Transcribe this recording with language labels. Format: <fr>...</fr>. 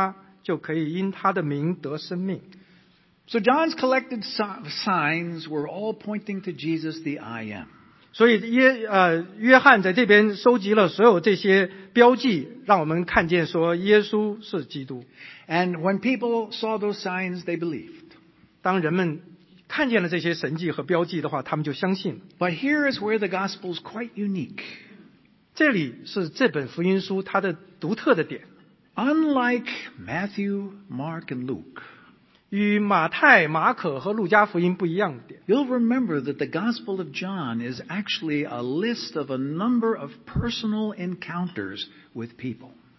<zh>耶稣在门徒面前另外行了许多神迹,没有记在这书上,但记这些事要叫你们信耶稣是基督,是神的儿子,并且叫你们信了他,就可以因他的名得生命。</zh> <en>So John's collected signs were all pointing to Jesus, the I am.</en> <zh>所以约翰在这边收集了所有这些标记,让我们看见说耶稣是基督。</zh> <en>And when people saw those signs, they believed.</en> <zh>当人们看见了这些神迹和标记的话,他们就相信了。</zh> <en>But here is where the gospel is quite unique.</en> <zh>这里是这本福音书它的独特的点。</zh> <en>Unlike Matthew, Mark, and Luke,</en> <zh>与马太、马可和路加福音不一样的点,</zh> <en>you'll remember that the Gospel of John is actually a list of a number of personal encounters with people.</en>